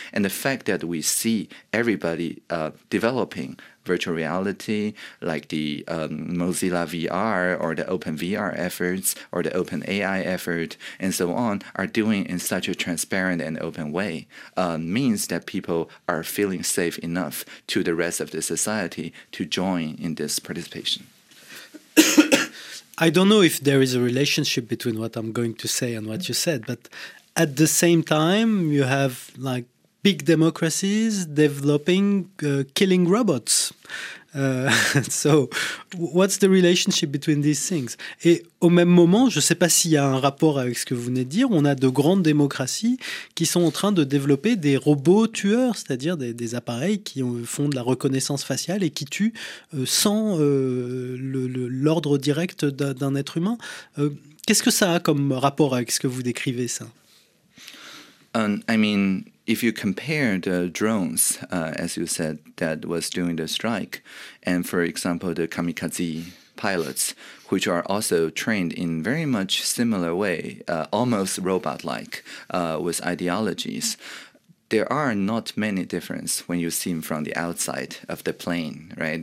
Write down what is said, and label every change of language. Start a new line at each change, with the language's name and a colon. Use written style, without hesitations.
English: And the fact that we see everybody developing virtual reality, like the Mozilla VR or the Open VR efforts or the Open AI effort and so on, are doing in such a transparent and open way, means that people are feeling safe enough to the rest of the society to join in this participation. I don't know if there is a relationship between what I'm going to say and what you said, but at the same time, you have like big democracies developing killing robots. So what's the relationship between these things?
French: Et au même moment, je ne sais pas s'il y a un rapport avec ce que vous venez de dire, on a de grandes démocraties qui sont en train de développer des robots tueurs, c'est-à-dire des appareils qui font de la reconnaissance faciale et qui tuent sans l'ordre direct d'un être humain. Qu'est-ce que ça a comme rapport avec ce que vous décrivez, ça?
English: If you compare the drones, as you said, that was doing the strike, and for example, the kamikaze pilots, which are also trained in very much similar way, almost robot-like, with ideologies, there are not many difference when you see them from the outside of the plane, right?